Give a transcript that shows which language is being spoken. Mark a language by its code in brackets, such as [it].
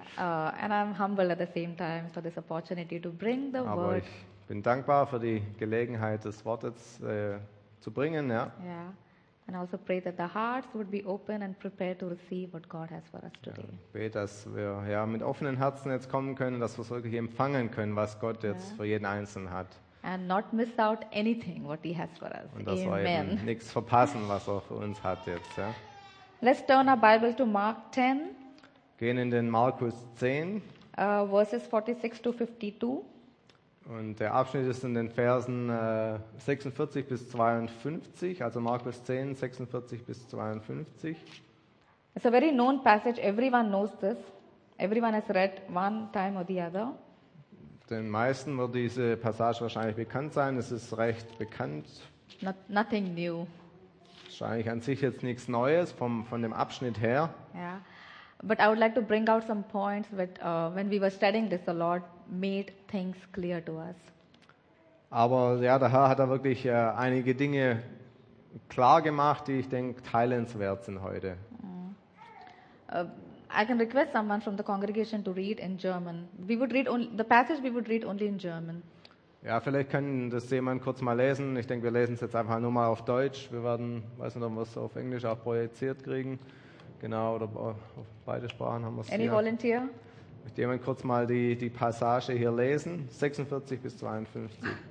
[en] And I'm humble at the same time for this opportunity to bring the [de] Aber [en] word. [de] Aber ich bin dankbar für die Gelegenheit, das Wort jetzt zu bringen, ja. Yeah. [en] And also pray that the hearts would be open and prepared to receive what God has for us today. [de] Ja, bete, dass wir ja mit offenen Herzen jetzt kommen können, dass wir wirklich empfangen können, was Gott jetzt für jeden Einzelnen hat. [en] And not miss out anything what He has for us. [de] Und dass wir eben nichts verpassen, was er für uns hat jetzt, ja. [en] Let's turn our Bible to Mark 10. [de] Gehen in den Markus 10. [en] Verses 46 to 52. [de] Und der Abschnitt ist in den Versen 46 bis 52, also Markus 10, 46 bis 52. [en] It's a very known passage, everyone knows this. Everyone has read one time or the other. [de] Den meisten wird diese Passage wahrscheinlich bekannt sein, es ist recht bekannt. [en] Nothing new. [de] Wahrscheinlich an sich jetzt nichts Neues von dem Abschnitt her. Yeah. [en] But I would like to bring out some points that when we were studying this, the Lord made things clear to us. [de] Aber ja, der Herr hat da wirklich einige Dinge klar gemacht, die ich denke teilenswert sind heute. [en] I can request someone from the congregation to read in German. We would read only the passage. We would read only in German. [de] Ja, vielleicht kann das jemand kurz mal lesen. Ich denke, wir lesen es jetzt einfach nur mal auf Deutsch. Wir werden, weiß nicht, ob wir es auf Englisch auch projiziert kriegen. Genau, oder auf beide Sprachen haben wir es. [en] Any [de] hier. [en] Volunteer? [de] Möchte jemand kurz mal die Passage hier lesen? 46 bis 52.